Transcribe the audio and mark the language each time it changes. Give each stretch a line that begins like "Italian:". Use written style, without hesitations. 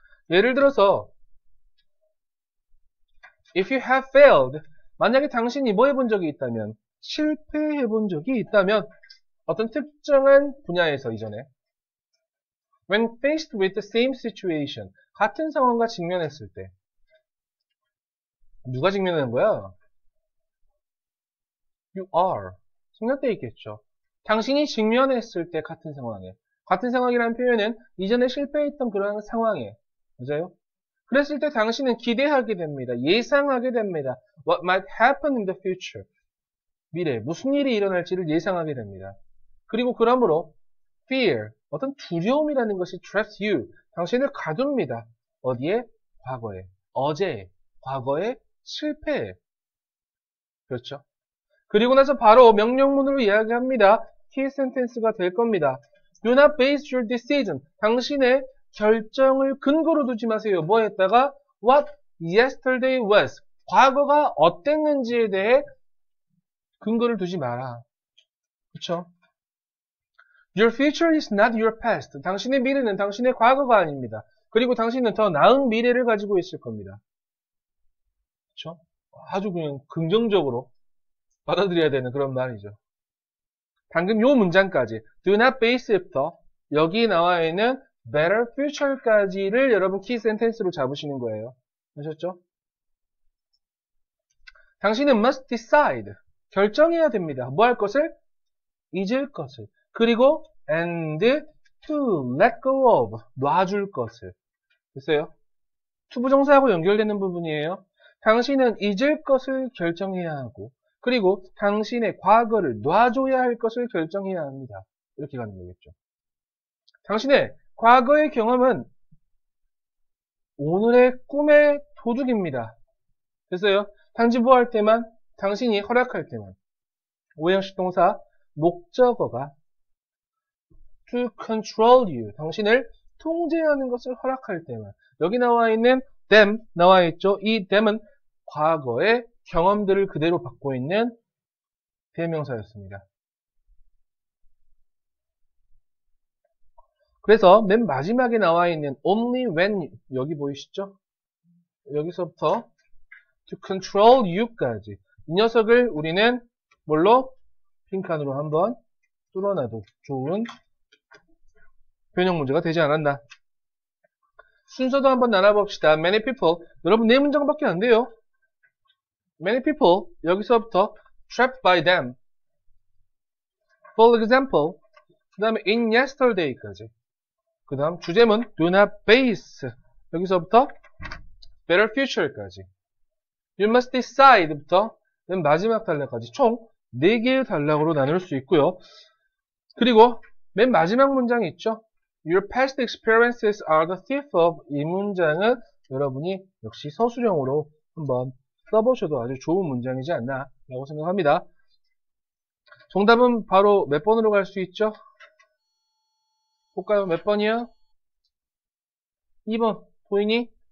Korean: 예를 들어서,
English: If you have failed,
Korean: 만약에 당신이 뭐 해본 적이 있다면, 실패해본 적이 있다면, 어떤 특정한 분야에서 이전에,
English: When faced with the same situation,
Korean: 같은 상황과 직면했을 때, 누가 직면하는 거야?
English: You are.
Korean: 생략돼 있겠죠. 당신이 직면했을 때 같은 상황에, 같은 상황이라는 표현은 이전에 실패했던 그런 상황에, 맞아요? 그랬을 때 당신은 기대하게 됩니다. 예상하게 됩니다.
English: What might happen in the future?
Korean: 미래에 무슨 일이 일어날지를 예상하게 됩니다. 그리고 그러므로 fear, 어떤 두려움이라는 것이
English: traps you,
Korean: 당신을 가둡니다. 어디에? 과거에. 어제에. 과거에. 실패에. 그렇죠? 그리고 나서 바로 명령문으로 이야기합니다. key sentence가 될 겁니다.
English: Do not base your decision.
Korean: 당신의 결정을 근거로 두지 마세요. 뭐 했다가?
English: What yesterday was.
Korean: 과거가 어땠는지에 대해 근거를 두지 마라. 그쵸?
English: Your future is not your past.
Korean: 당신의 미래는 당신의 과거가 아닙니다. 그리고 당신은 더 나은 미래를 가지고 있을 겁니다. 그쵸? 아주 그냥 긍정적으로 받아들여야 되는 그런 말이죠. 방금 요 문장까지
English: Do not base
Korean: 부터 여기 나와 있는
English: Better future
Korean: 까지를 여러분 키 센텐스로 잡으시는 거예요. 아셨죠? 당신은
English: must decide.
Korean: 결정해야 됩니다. 뭐할 것을? 잊을 것을. 그리고
English: and to let go of.
Korean: 놔줄 것을. 됐어요? to 부정사하고 연결되는 부분이에요. 당신은 잊을 것을 결정해야 하고, 그리고 당신의 과거를 놔줘야 할 것을 결정해야 합니다. 이렇게 가는 거겠죠. 당신의 과거의 경험은 오늘의 꿈의 도둑입니다. 됐어요? 단지 뭐할 때만, 당신이 허락할 때만. 오형식 동사, 목적어가
English: to control you,
Korean: 당신을 통제하는 것을 허락할 때만. 여기 나와 있는 them, 나와 있죠? 이 them은 과거의 경험들을 그대로 받고 있는 대명사였습니다. 그래서 맨 마지막에 나와 있는 only when, 여기 보이시죠? 여기서부터
English: to control you
Korean: 까지. 이 녀석을 우리는 뭘로? 빈칸으로 한번 뚫어놔도 좋은 변형 문제가 되지 않았나. 순서도 한번 나눠봅시다.
English: Many people.
Korean: 여러분, 네 문장밖에 안 돼요.
English: Many people.
Korean: 여기서부터
English: trapped by them. For example.
Korean: 그 다음에 in yesterday까지. 그 다음 주제문
English: do not base.
Korean: 여기서부터
English: better future
Korean: 까지.
English: You must decide
Korean: 부터 마지막 단락까지 총 4개의 단락으로 나눌 수 있고요. 그리고 맨 마지막 문장이 있죠.
English: Your past experiences are the thief of.
Korean: 이 문장은 여러분이 역시 서술형으로 한번 써보셔도 아주 좋은 문장이지 않나 라고 생각합니다. 정답은 바로 몇 번으로 갈 수 있죠? 볼까요? 몇 번이요? 2번. 보이니?